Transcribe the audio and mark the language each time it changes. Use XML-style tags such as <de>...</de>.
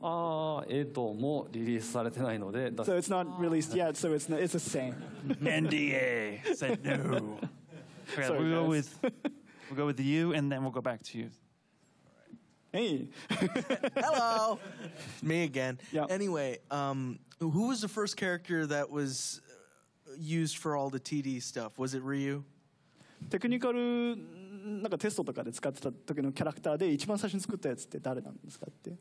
<ja>ああ、Edもリリースされてないので。</ja> <en>So it's not released yet, so it's, not, it's the same. NDA said no. Okay, sorry, we'll, go with, we'll go with you, and then we'll go back to you. Hey. Hello. Me again. Yep. Anyway, who was the first character that was used for all the TD stuff? Was it Ryu?</en> <ja>テクニカルなんかテストとかで使ってた時のキャラクターで一番最初に作ったやつって誰なんですかって。</ja>